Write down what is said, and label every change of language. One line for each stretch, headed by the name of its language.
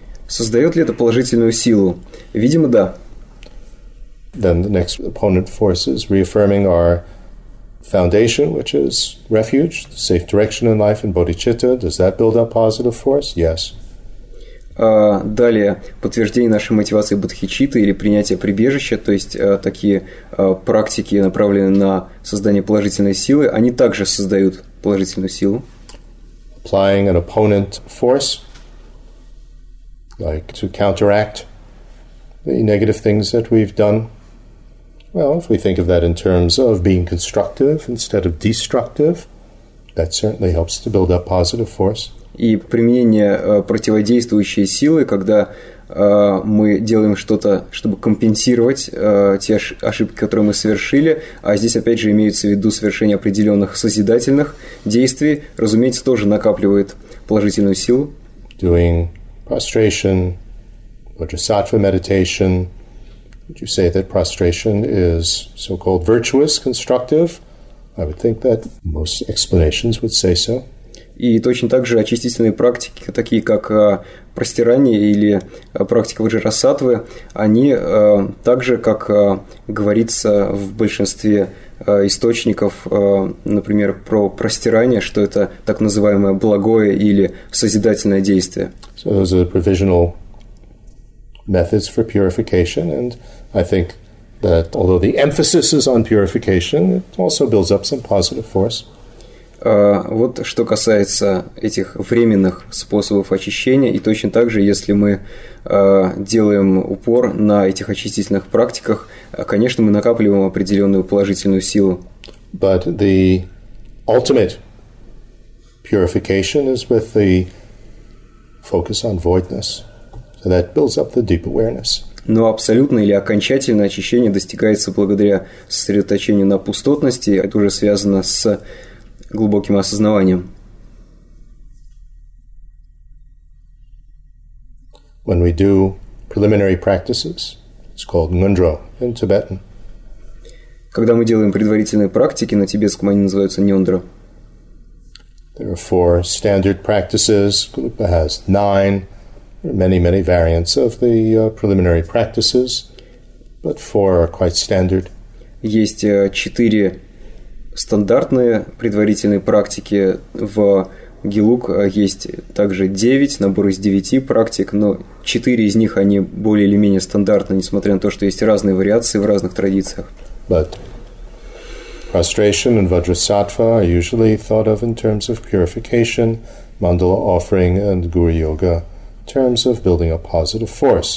Russian: Создает ли это положительную силу? Видимо, да.
English: Then the next opponent force is reaffirming our foundation, which is refuge, the safe direction in life, and bodhicitta. Does that build up positive force? Yes.
Russian: Далее, подтверждение нашей мотивации бодхичитты или принятие прибежища, то есть такие практики, направленные на создание положительной силы, они также создают положительную силу.
English: Applying an opponent force, like to counteract the negative things that we've done. Well, if we think of that in terms of being constructive instead of destructive, that certainly helps to build up positive force.
Russian: И применение противодействующей силы, когда мы делаем что-то, чтобы компенсировать те ошибки, которые мы совершили. А здесь, опять же, имеется в виду совершение определенных созидательных действий. Разумеется, тоже накапливает положительную силу.
English: Doing prostration, bodhisattva meditation. Would you say that prostration is so-called virtuous, constructive? I would think that most explanations would say so.
Russian: И точно так же очистительные практики, такие как простирание или практика ваджрасаттвы, они также, как говорится в большинстве источников, например, про простирание, что это так называемое благое или созидательное действие.
English: So those are the provisional methods for purification, and I think that although the emphasis is on purification, it also builds up some positive force.
Russian: Вот что касается этих временных способов очищения, и точно так же, если мы делаем упор на этих очистительных практиках, конечно, мы накапливаем определенную положительную силу.
English: But the ultimate purification is with the focus on voidness. So that builds up the deep awareness.
Russian: Но абсолютное или окончательное очищение достигается благодаря сосредоточению на пустотности, это уже связано с глубоким осознаванием.
English: When we do preliminary practices, it's called ngundro in Tibetan.
Russian: Когда мы делаем предварительные практики, на тибетском они называются нёндра.
English: There are four standard practices. Группа has nine. Many, many variants of the preliminary practices, but four are quite standard.
Russian: Есть четыре стандартные предварительные практики в Гилук, есть также девять, набор из девяти практик, но четыре из них, они более или менее стандартны, несмотря на то, что есть разные вариации в разных традициях.
English: But prostration and vajrasattva are usually thought of in terms of purification, mandala offering and guru yoga in terms of building a positive force.